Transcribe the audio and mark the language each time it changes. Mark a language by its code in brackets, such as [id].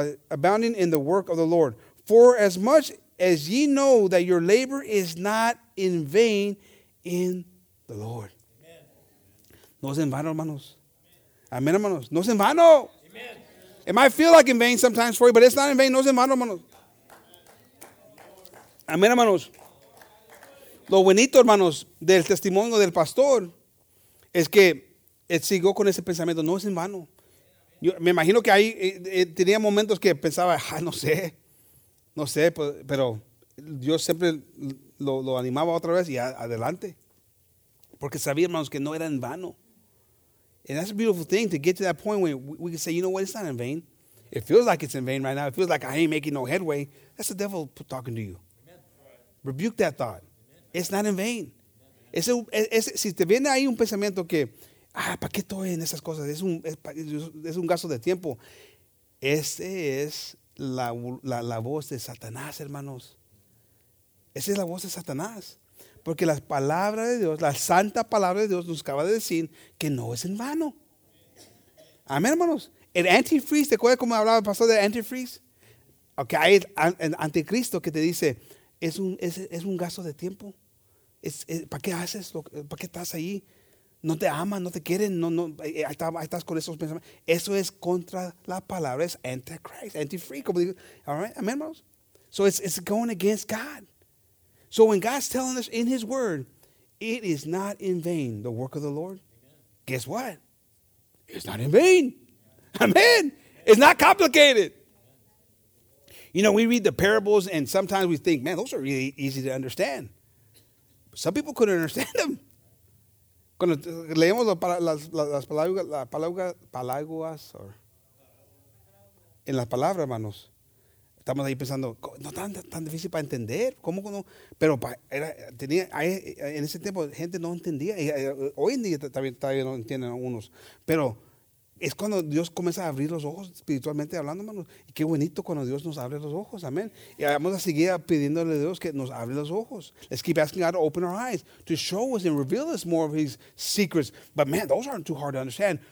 [en] Abounding in the work of the Lord. For as much as ye know that your labor is not in vain in the Lord. [es] No es en vano, hermanos. Amen, hermanos. No es en vano. [en] It might feel like in vain sometimes for you, but it's not in vain. [es] No es en vano, hermanos. Amén, hermanos. Lo bonito, hermanos, del testimonio del pastor es que él siguió con ese pensamiento. No es en vano. Yo me imagino que ahí tenía momentos que pensaba, no sé, pero Dios siempre lo animaba otra vez y adelante. Porque sabía, hermanos, que no era en vano. [en] And that's a beautiful thing to get to that point where we can say, you know what, it's not in vain. It feels like it's in vain right now. It feels like I ain't making no headway. That's the devil talking to you. Amen. Rebuke that thought. Amen. It's not in vain. [es] Si te viene ahí un pensamiento que, ¿para qué estoy en esas cosas? Es un gasto de tiempo. Ese es la voz de Satanás, hermanos. Esa es la voz de Satanás. Porque la palabra de Dios, la santa palabra de Dios, nos acaba de decir que no es en vano. Amén, hermanos. El antifreeze, ¿te acuerdas cómo hablaba el pastor del antifreeze? Okay, hay el anticristo que te dice, es un gasto de tiempo. ¿Para qué haces? ¿Para qué estás ahí? No te aman, no te quieren, no, ahí estás con esos pensamientos. Eso es contra la palabra, es anti-Christ, anti-free, como digo. [en] All right, amen, hermanos. So it's going against God. So when God's telling us in his word, it is not in vain, the work of the Lord. Amen. Guess what? It's not in vain. Amen. It's not complicated. You know, we read the parables and sometimes we think, man, those are really easy to understand. But some people couldn't understand them. [es] Cuando leemos las palabras, or en las palabras, hermanos, estamos ahí pensando, no tan difícil para entender, ¿cómo no? Pero en ese tiempo gente no entendía, y hoy en día todavía no entienden algunos, pero es cuando Dios comienza a abrir los ojos espiritualmente hablando, hermanos, y qué bonito cuando Dios nos abre los ojos, amén. Y vamos a seguir pidiéndole a Dios que nos abre los ojos. [en] Let's keep asking God to open our eyes, to show us and reveal us more of his secrets. But man, those aren't too hard to understand.